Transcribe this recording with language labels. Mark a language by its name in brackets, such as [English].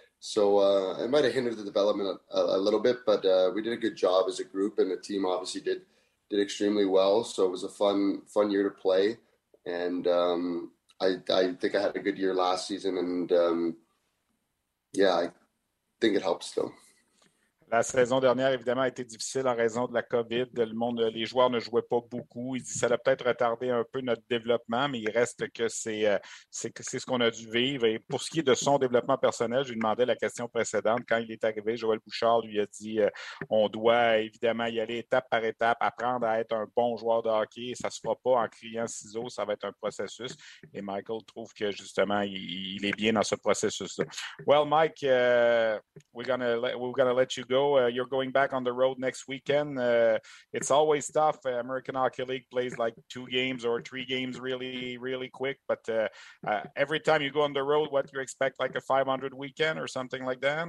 [English] So it might have hindered the development a little bit, but we did a good job as a group, and the team obviously did extremely well. So it was a fun year to play, and I think I had a good year last season, and yeah, I think it helps though. [French] La saison dernière, évidemment, a été difficile en raison de la COVID. Les joueurs ne jouaient pas beaucoup. Ils disent que ça a peut-être retardé un peu notre développement, mais il reste que c'est ce qu'on a dû vivre. Et pour ce qui est de son développement personnel, je lui demandais la question précédente. Quand il est arrivé, Joël Bouchard lui a dit on doit évidemment y aller étape par étape, apprendre à être un bon joueur de hockey. Ça ne se fera pas en criant ciseaux, ça va être un processus. Et Michael trouve que justement, il est bien dans ce processus-là. [English] Well, Mike, we're gonna let you go. You're going back on the road next weekend. It's always tough. American Hockey League plays like two games or three games really, really quick. But every time you go on the road, what do you expect, like a 500 weekend or something like that?